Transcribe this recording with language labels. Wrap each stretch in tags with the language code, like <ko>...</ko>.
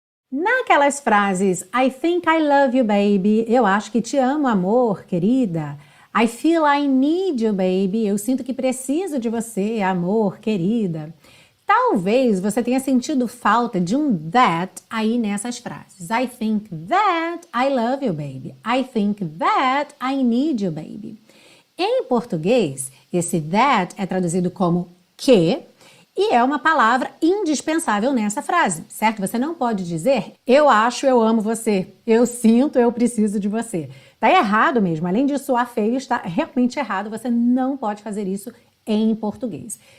<pt>Naquelas frases,</pt> <en>I think I love you, baby,</en> <pt>eu acho que te amo, amor, querida.</pt> <en>I feel I need you, baby,</en> <pt>eu sinto que preciso de você, amor, querida. Talvez você tenha sentido falta de um that aí nessas frases.</pt> <en>I think that I love you, baby. I think that I need you, baby.</en> <pt>Em português, esse that é traduzido como que e é uma palavra indispensável nessa frase, certo? Você não pode dizer eu acho, eu amo você. Eu sinto, eu preciso de você. Tá errado mesmo. Além de soar feio, está realmente errado. Você não pode fazer isso em português.</pt>